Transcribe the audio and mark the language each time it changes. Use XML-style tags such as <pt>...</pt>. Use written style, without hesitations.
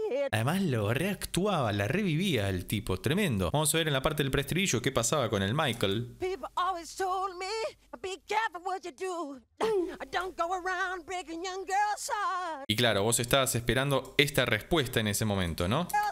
<es>Además lo reactuaba, la revivía el tipo, tremendo. Vamos a ver en la parte del preestribillo qué pasaba con el Michael.</es> <en>People always told me, be careful what you do. I don't go around breaking young girls' hearts.</en> <es>Y claro, vos estabas esperando esta respuesta en ese momento, ¿no?</es>